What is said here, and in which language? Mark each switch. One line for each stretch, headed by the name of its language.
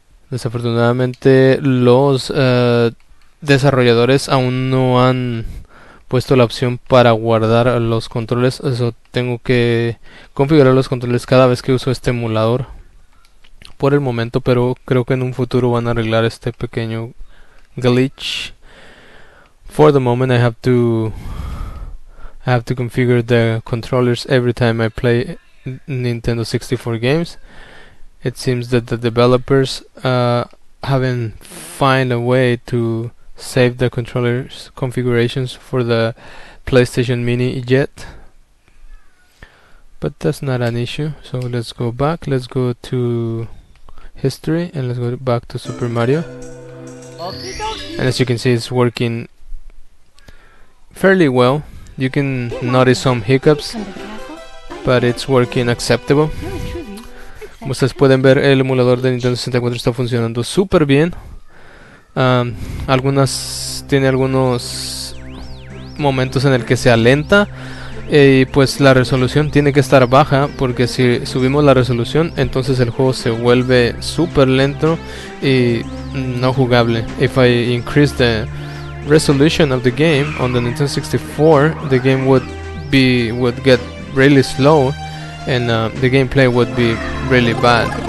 Spanish: Desafortunadamente, los desarrolladores aún no han puesto la opción para guardar los controles. Eso, tengo que configurar los controles cada vez que uso este emulador por el momento, pero creo que en un futuro van a arreglar este pequeño glitch.
English: For the moment, I have to configure the controllers every time I play Nintendo 64 games. It seems that the developers haven't found a way to save the controllers configurations for the PlayStation Mini yet. But that's not an issue. So let's go back. Let's go to history and let's go back to Super Mario. And as you can see, it's working fairly well. You can notice some hiccups, but it's working acceptable.
Spanish: Como ustedes pueden ver, el emulador de Nintendo 64 está funcionando súper bien. Tiene algunos momentos en el que se alenta. Y pues la resolución tiene que estar baja, porque si subimos la resolución, entonces el juego se vuelve súper lento y no jugable.
English: If I increase the resolution of the game on the Nintendo 64, the game would get really slow. And the gameplay would be really bad.